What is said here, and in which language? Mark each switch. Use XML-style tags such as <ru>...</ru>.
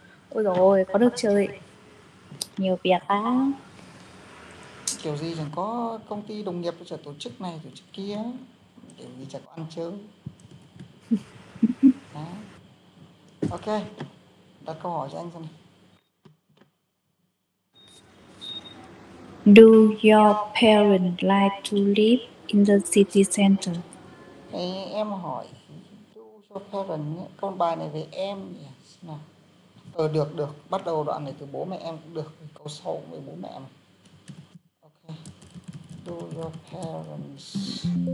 <vi>Ôi dồi ôi, có được chơi. Nhiều việc á. Kiểu gì chẳng có công ty đồng nghiệp cho tổ chức này, tổ chức kia. Kiểu gì chẳng có ăn chơi. Đó. Ok, đặt câu hỏi cho anh xem.</vi> <en>Do your parents like to live in the city center?</en> <vi>Hey, em hỏi,</vi> <en>do your parents,</en> <vi>con bài này về em nhỉ? Nào. Được, được, bắt đầu đoạn này từ bố mẹ em cũng được, câu sau với bố mẹ em.</vi> <en>Okay. Do your parents</en>